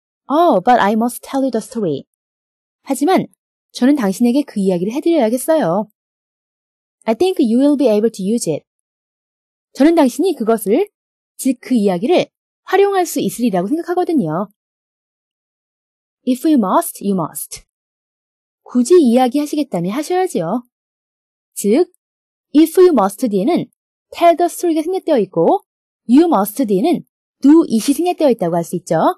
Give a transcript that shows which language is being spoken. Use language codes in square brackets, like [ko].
[en] Oh, but I must tell you the story. [ko] 하지만 저는 당신에게 그 이야기를 해드려야겠어요. [en] I think you will be able to use it. [ko] 저는 당신이 그것을, 즉 그 이야기를 활용할 수 있으리라고 생각하거든요. [en] If you must, you must. [ko] 굳이 이야기하시겠다면 하셔야지요. 즉, [en] if you must [ko] 뒤에는 [en] tell the story [ko] 가 생략되어 있고 you must 뒤에는 [en] do it [ko] 이 생략되어 있다고 할 수 있죠.